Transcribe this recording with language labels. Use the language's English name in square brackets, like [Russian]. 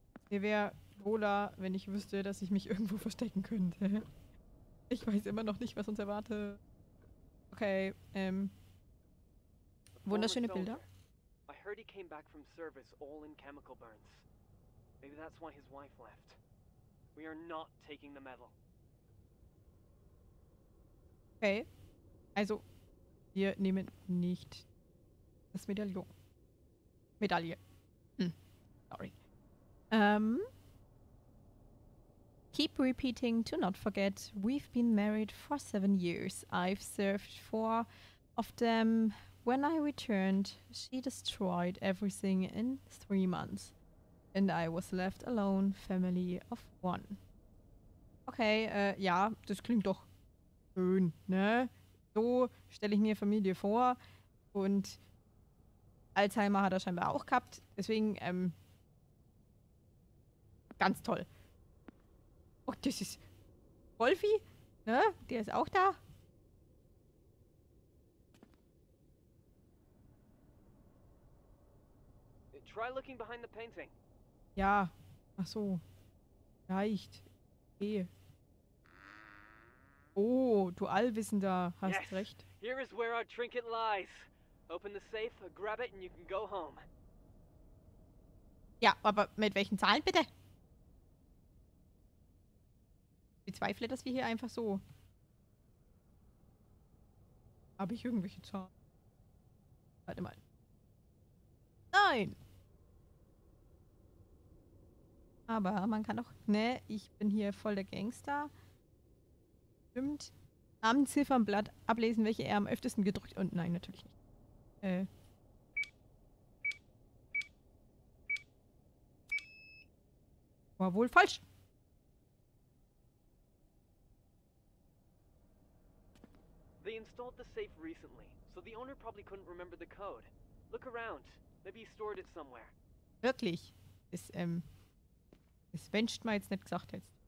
[German] Mir wäre wohler, wenn ich wüsste, dass ich mich irgendwo verstecken könnte. Ich weiß immer noch nicht, was uns erwartet. Okay, wunderschöne Bilder. [English] I heard he came back from service all in chemical burns. Maybe that's why his wife left. We are not taking the medal. Okay. [German] Also, wir nehmen nicht das Medaillon. Medaille. Sorry. [English] Keep repeating to not forget. We've been married for 7 years. I've served 4 of them. When I returned, she destroyed everything in 3 months. And I was left alone, family of one. [German] Okay, ja, das klingt doch schön, ne? So stelle ich mir Familie vor. Und Alzheimer hat er scheinbar auch gehabt, deswegen, ganz toll. Oh, das ist Wolfi, ne? Der ist auch da. [English] Try looking behind the painting. [German] Ja, ach so. Reicht. Okay. Oh, du Allwissender, hast [English] yes. [German] Recht. [English] Here is where our trinket lies. Open the safe, grab it, and you can go home. [German] Ja, aber mit welchen Zahlen bitte? Ich bezweifle, dass wir hier einfach so. Habe ich irgendwelche Zahlen? Warte mal. Nein! Aber man kann doch. Ne, ich bin hier voll der Gangster. Stimmt. Am Ziffernblatt ablesen, welche er am öftesten gedrückt. Und nein, natürlich nicht. War wohl falsch. [English] They installed the safe recently, so the owner probably couldn't remember the code. Look around. Maybe he stored it somewhere. [German] Wirklich? Das, das wünscht man jetzt nicht gesagt hätte.